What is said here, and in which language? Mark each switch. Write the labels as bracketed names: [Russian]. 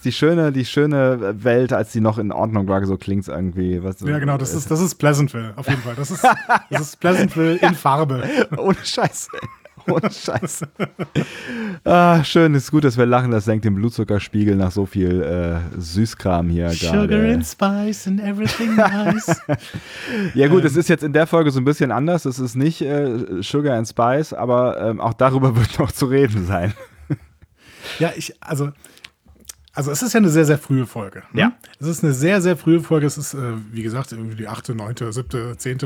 [German] Die schöne Welt, als die noch in Ordnung war, so klingt es irgendwie. Was, ja, genau. Das ist Pleasantville, auf jeden Fall. Das ist Pleasantville in Farbe. Ohne Scheiße. Ah, schön, ist gut, dass wir lachen. Das senkt den Blutzuckerspiegel nach so viel Süßkram hier gerade. [English] Sugar and spice and everything nice. [German] Ja gut, es ist jetzt in der Folge so ein bisschen anders. Es ist nicht Sugar and Spice, aber auch darüber wird noch zu reden sein. Ja, also es ist ja eine sehr, sehr frühe Folge. Ne? Ja. Es ist eine sehr, sehr frühe Folge. Es ist, wie gesagt, irgendwie die 8., 9., 7., 10.